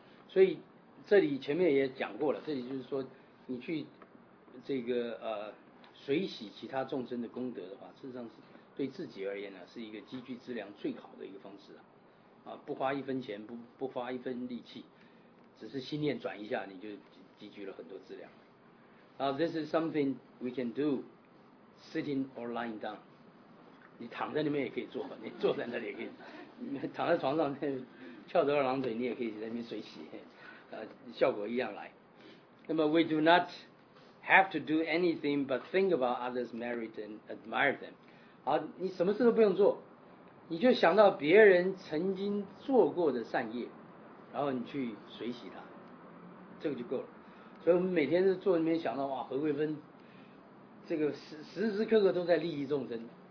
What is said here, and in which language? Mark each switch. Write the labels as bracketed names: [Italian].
[Chinese] 所以这里前面也讲过了，这里就是说你去这个随喜其他众生的功德的话，事实上是对自己而言呢是一个积聚资粮最好的一个方式啊。啊，不花一分钱，不花一分力气，只是心念转一下，你就积聚了很多资粮。 [English] This is something we can do sitting or lying down. [Chinese] 你躺在那边也可以做，你坐在那里也可以，躺在床上那翘着二郎腿，你也可以在那边随喜，效果一样来。 [English] 那么 we do not have to do anything but think about others' merit and admire them。 [Chinese] 好，你什么事都不用做，你就想到别人曾经做过的善业，然后你去随喜他，这个就够了。所以我们每天是坐在那边想到哇，何贵芬这个时时刻刻都在利益众生。